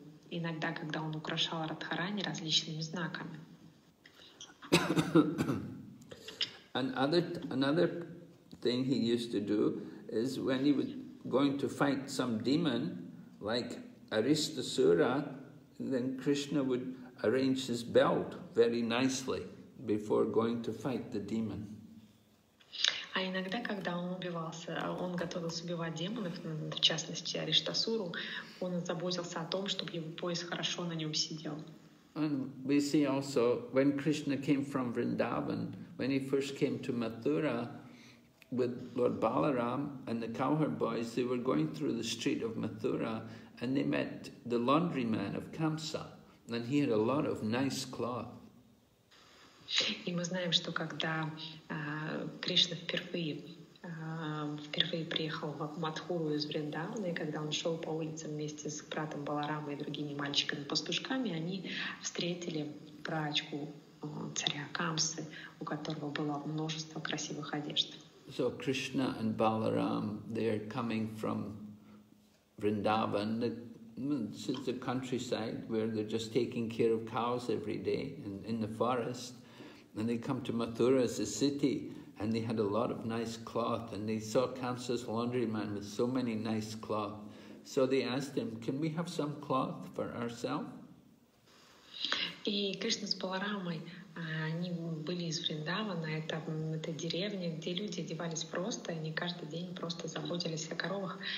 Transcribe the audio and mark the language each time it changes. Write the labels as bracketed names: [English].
[Russian] Иногда, когда он украшал Радхарани различными знаками. [English] Another thing he used to do is when he was going to fight some demon like Ariṣṭasura, then Krishna would arrange his belt very nicely before going to fight the demon. [Russian] А иногда, когда он готовился убивать демонов, в частности Ариштасуру, он заботился о том, чтобы его пояс хорошо на нем сидел. [English] And we see also, when Krishna came from Vrindavan, when he first came to Mathura with Lord Balaram and the cowherd boys, they were going through the street of Mathura and they met the laundryman of Kamsa, and he had a lot of nice cloth. [Russian] И мы знаем, что когда Кришна впервые приехал в Матхуру из Вриндавана, и когда он шел по улицам вместе с братом Баларамой и другими мальчиками-пастушками, они встретили прачку царя Камсы, у которого было множество красивых одежд. [English] So Krishna and Balaram, they are coming from Vrindavan. This is the countryside where they're just taking care of cows every day and in the forest. And they come to Mathura as a city, and they had a lot of nice cloth, and they saw Kamsa's laundryman with so many nice cloth. So they asked him, can we have some cloth for ourselves? [Russian] И Кришна с Баларамой, они были из Вриндавана, это деревня, где люди одевались просто, они каждый день просто заботились о коровах.